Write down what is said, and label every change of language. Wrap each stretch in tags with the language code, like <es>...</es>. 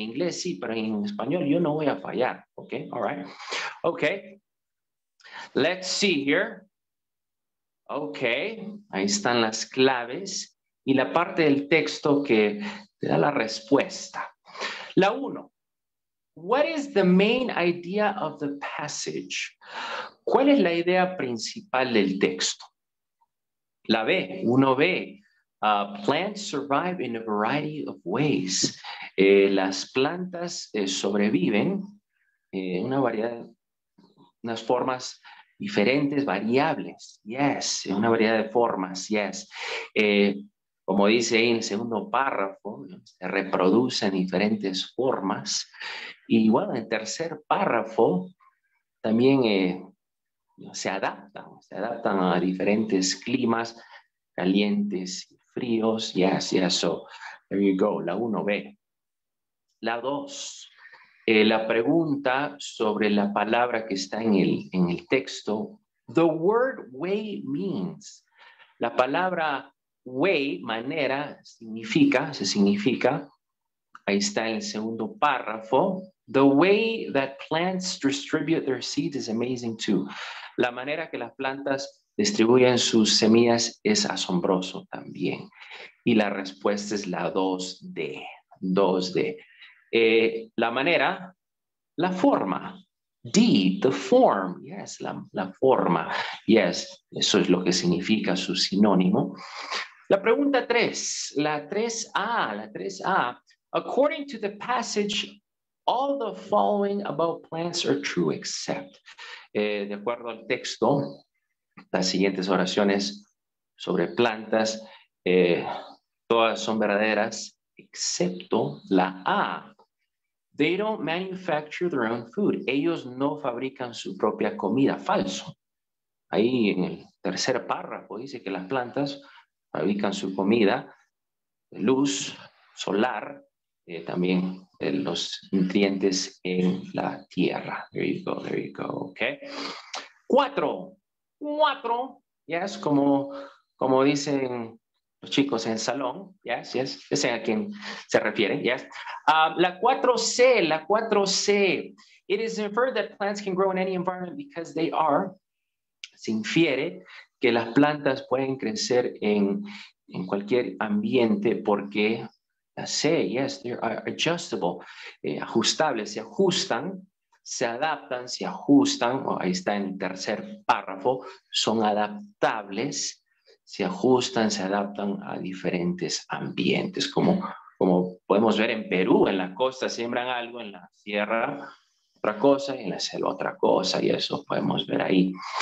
<es>En inglés sí, pero en español yo no voy a fallar,</es> <en>ok, all right. Ok, let's see here.</en> <es>Ok, ahí están las claves y la parte del texto que te da la respuesta. La uno.</es> <en>What is the main idea of the passage?</en> <es>¿Cuál es la idea principal del texto? La B, uno B.</es> <en>Plants survive in a variety of ways.</en> <es>Las plantas sobreviven en una variedad, unas formas diferentes, variables. Yes, una variedad de formas. Yes. Como dice ahí en el segundo párrafo, ¿no? Se reproduce en diferentes formas. Y bueno, en tercer párrafo también se adaptan a diferentes climas calientes y fríos.</es> <en>So there you go,</en> <es>la 1B. La 2, la pregunta sobre la palabra que está en el texto.</es> <en>The word way means,</en> <es>la palabra way, manera, se significa, ahí está en el segundo párrafo.</es> <en>The way that plants distribute their seeds is amazing too.</en> <es>La manera que las plantas distribuyen sus semillas es asombroso también. Y la respuesta es la 2D. 2D. La manera, la forma. D,</es> <en>the form.</en> <es>Yes, la forma. Yes, eso es lo que significa su sinónimo. La pregunta 3, la 3A, la 3A.</es> <en>According to the passage, all the following about plants are true, except.</en> <es>De acuerdo al texto, las siguientes oraciones sobre plantas, todas son verdaderas, excepto la A.</es> <en>They don't manufacture their own food.</en> <es>Ellos no fabrican su propia comida. Falso. Ahí en el tercer párrafo dice que las plantas fabrican su comida, luz solar, también los nutrientes en la tierra.</es> <en>There you go, okay.</en> <es>Cuatro, cuatro, yes, como dicen los chicos en el salón, yes, ya sé a quién se refiere, yes. La 4C, la 4C.</es> <en>It is inferred that plants can grow in any environment because they are.</en> <es>Se infiere que las plantas pueden crecer en cualquier ambiente porque la C, yes,</es> <en>they are adjustable,</en> <es>ajustables, se ajustan, se adaptan, se ajustan, oh, ahí está en el tercer párrafo, son adaptables, se ajustan, se adaptan a diferentes ambientes, como podemos ver en Perú, en la costa siembran algo, en la sierra otra cosa, y en la selva otra cosa, y eso podemos ver ahí.</es>